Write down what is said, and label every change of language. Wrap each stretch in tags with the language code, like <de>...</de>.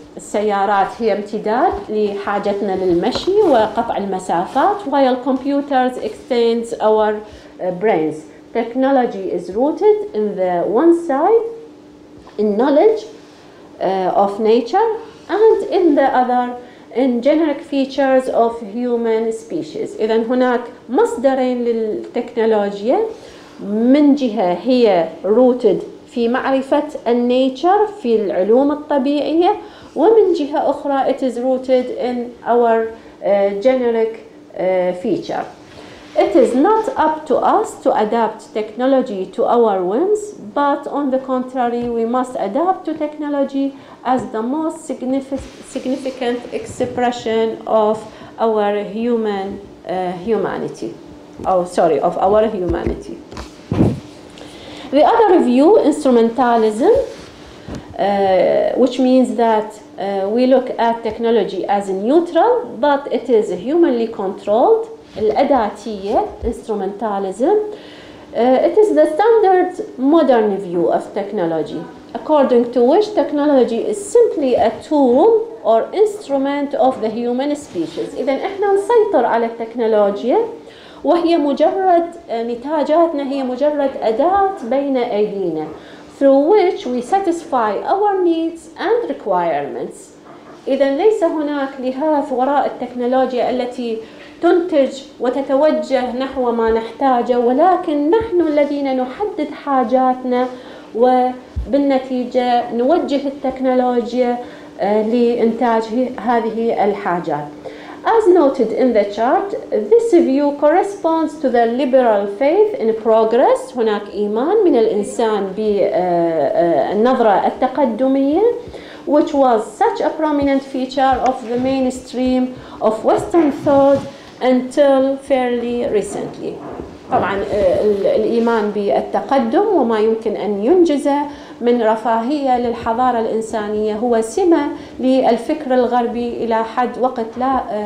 <ar>السيارات هي امتداد لحاجتنا للمشي وقطع المسافات.</ar> <en>While computers extend our brains. Technology is rooted in the one side in knowledge of nature and in the other in generic features of human species.</en> <ar>إذا هناك مصدرين للتكنولوجيا، من جهة هي rooted في معرفة النيتشر في العلوم الطبيعية، ومن جهة أخرى</ar> <en>it is rooted in our generic feature. It is not up to us to adapt technology to our whims, but on the contrary, we must adapt to technology as the most significant expression of our human humanity. Oh, sorry, of our humanity. The other view, instrumentalism, which means that we look at technology as neutral, but it is humanly controlled. الأداتية instrumentalism it is the standard modern view of technology according to which technology is simply a tool or instrument of the human species.</en> <ar>إذا إحنا نسيطر على التكنولوجيا وهي مجرد نتاجاتنا هي مجرد أداة بين أيدينا</ar> <en>through which we satisfy our needs and requirements.</en> <ar>إذا ليس هناك لهاث وراء التكنولوجيا التي تنتج وتتوجه نحو ما نحتاجه ولكن نحن الذين نحدد حاجاتنا وبالنتيجة نوجه التكنولوجيا لإنتاج هذه الحاجات.</ar> <en>As noted in the chart, this view corresponds to the liberal faith in progress.</en> <ar>هناك إيمان من الإنسان بالنظرة التقدمية</ar> <en>which was such a prominent feature of the mainstream of Western thought until fairly recently.</en> <ar>طبعا الإيمان بالتقدم وما يمكن أن ينجزه من رفاهية للحضارة الإنسانية هو سمة للفكر الغربي إلى حد وقت لا</ar>